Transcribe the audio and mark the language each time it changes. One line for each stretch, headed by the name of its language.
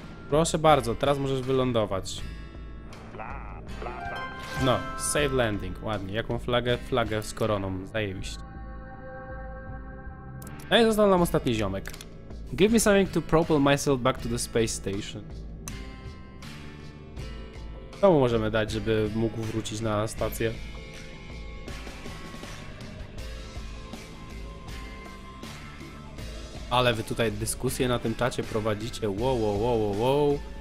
Polish: Proszę bardzo, teraz możesz wylądować. No, safe landing, ładnie. Jaką flagę? Flagę z koroną, zajebiście. No i został nam ostatni ziomek.
English: Give me something to propel myself back to the space station.
Polish: Co mu możemy dać, żeby mógł wrócić na stację? Ale wy tutaj dyskusję na tym czacie prowadzicie. Wow, wow, wow, wow, wow.